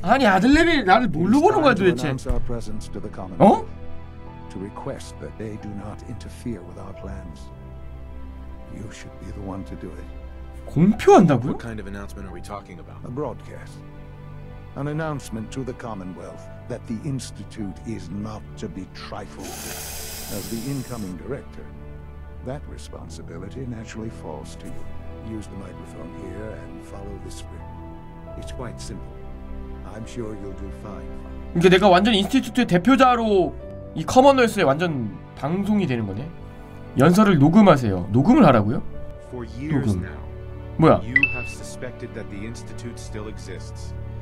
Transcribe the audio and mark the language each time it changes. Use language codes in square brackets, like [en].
[ko] 아니, 아들내미 나를 뭘로 보는 거야 도대체? 어? [en] To request that they do not interfere with our plans. You should be the one to do it. [ko] 공표한다고요? [en] What kind of announcement are we talking about? A broadcast. An announcement to the Commonwealth that the institute is not to be trifled with. As the incoming director, that responsibility naturally falls to you. Use the microphone here and follow the script. It's quite simple. I'm sure you'll do fine. [ko] 이게 내가 완전 인스티튜트의 대표자로 이 커먼웰스에 완전 방송이 되는 거네. 연설을 녹음하세요. 녹음을 하라고요? 녹음. 뭐야? [en] You have suspected that the institute still exists.